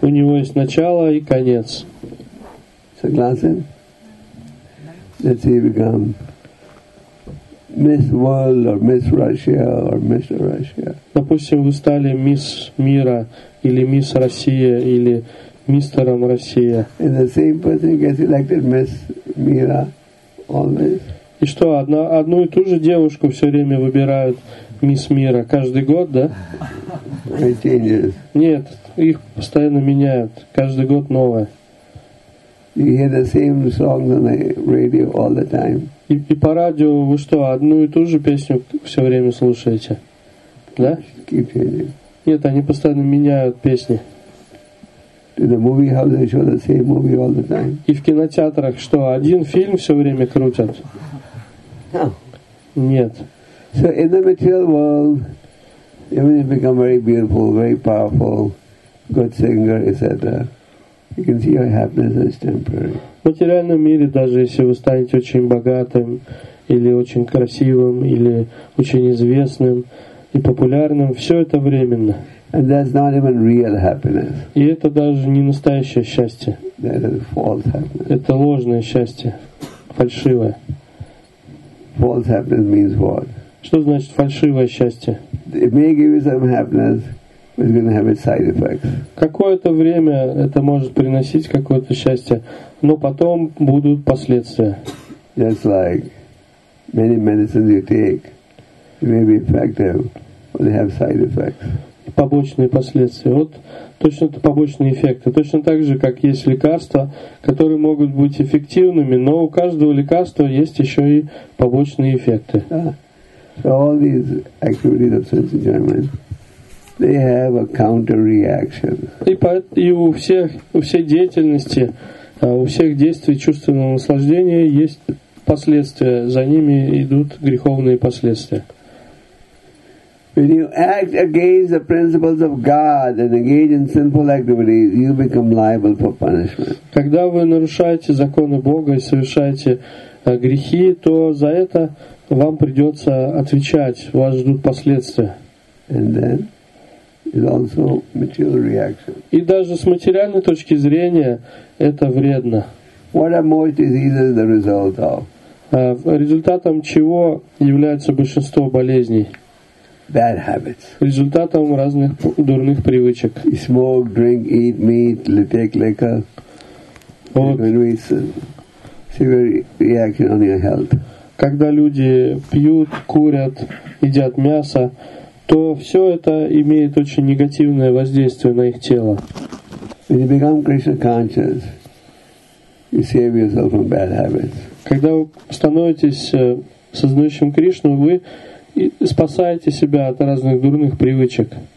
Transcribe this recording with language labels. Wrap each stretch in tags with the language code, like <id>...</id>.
<ru>У него есть начало и конец. Согласен?</ru> <en>Let's see, become Miss World or Miss Russia or Mr. Russia.</en> <ru>Допустим, вы стали мисс мира или мисс Россия или мистером Россия.</ru> <en>And the same person gets elected Miss Mira</en> <ru>И что, одну и ту же девушку все время выбирают мисс мира? Каждый год, да? Нет, их постоянно меняют. Каждый год новое.</ru> <en>You hear the same songs on the radio all the time.</en> <ru>И по радио вы что, одну и ту же песню все время слушаете? Да?</ru> <en>Keep hearing.</en> <ru>Нет, они постоянно меняют песни.</ru> <en>The movie house, they show the same movie all the time.</en> <ru>И в кинотеатрах что, один фильм все время крутят?</ru> <en>No.</en> <ru>Нет.</ru> <en>So in the material world, even if you become very beautiful, very powerful, good singer, etc., you can see your happiness is temporary.</en> <ru>В материальном мире, даже если вы станете очень богатым, или очень красивым, или очень известным и популярным, все это временно.</ru> <en>And that's not even real happiness.</en> <ru>И это даже не настоящее счастье.</ru> <en>That is false happiness.</en> <ru>Это ложное счастье, фальшивое.</ru> <en>False happiness means what?</en> <ru>Что значит фальшивое счастье?</ru> <en>It may give you some happiness, but it's going to have its side effects.</en> <ru>Какое-то время это может приносить какое-то счастье, но потом будут последствия.</ru> <en>Just like many medicines you take, it may be effective, but they have side effects.</en> <ru>Побочные последствия. Вот точно это побочные эффекты. Точно так же, как есть лекарства, которые могут быть эффективными, но у каждого лекарства есть еще и побочные эффекты.</ru> <en>So all these activities of sense enjoyment, they have a counter-reaction.</en> <ru>И у всей деятельности, у всех действий чувственного наслаждения есть последствия. За ними идут греховные последствия.</ru> <en>When you act against the principles of God and engage in sinful activities, you become liable for punishment.</en> <ru>Когда вы нарушаете законы Бога и совершаете грехи, то за это вам придется отвечать. Вас ждут последствия.</ru> <en>And then, it's also material reaction.</en> <ru>И даже с материальной точки зрения это вредно.</ru> <en>What are most diseases the result of?</en> <ru>Результатом чего является большинство болезней?</ru> <en>Bad habits.</en> <ru>Результатом разных дурных привычек.</ru> <en>You smoke, drink, eat meat, take liquor.</en> <ru>Вот.</ru> <en>It's a severe reaction on your health.</en> <ru>Когда люди пьют, курят, едят мясо, то все это имеет очень негативное воздействие на их тело.</ru> <en>When you become Krishna conscious, you save yourself from bad habits.</en> <ru>Когда вы становитесь сознающим Кришну, вы и спасаете себя от разных дурных привычек.</ru>